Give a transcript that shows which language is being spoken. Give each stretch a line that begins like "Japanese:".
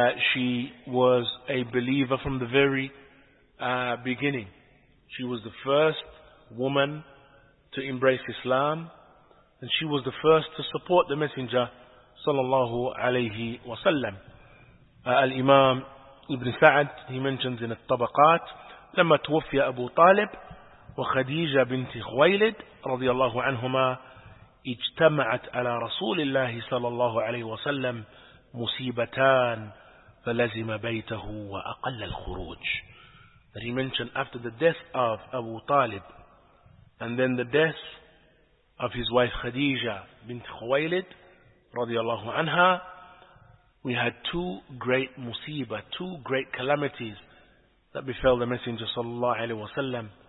English: She was a believer from the very beginning. She was the first woman to embrace Islam, and she was the first to support the Messenger sallallahu alayhi wa sallam. Al-Imam Ibn Sa'ad, he mentions in At-Tabaqat,
Arabic: لما توفي أبو طالب وخديجة بنت خويلد رضي الله عنهما اجتمعت على رسول الله صلى الله عليه وسلم مصيبتان فلزم بيته وأقل الخروج.
English: That he mentioned after the death of Abu Talib and then the death of his wife Khadija bint Khuwaylid radiallahu anha, we had two great musiba, two great calamities that befell the Messenger sallallahu alaihi wasallam.